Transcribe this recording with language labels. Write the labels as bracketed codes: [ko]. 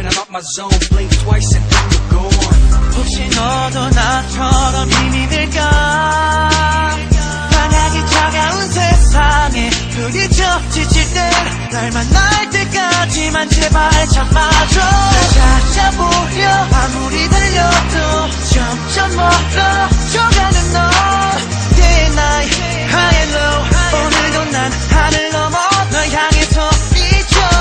[en] My zone, blink twice and then you're gone. [ko] 혹시 너도 나처럼 힘이 들까? 환하게 차가운 세상에 불이 젖히질 땐 널 만날 때까지만 제발 잡아줘. 날 찾아보려 아무리 달려도 점점 멀어져가는 너. [en] Day and night, high and low. [ko] 오늘도 난 하늘 넘어 널 향해서 미쳐.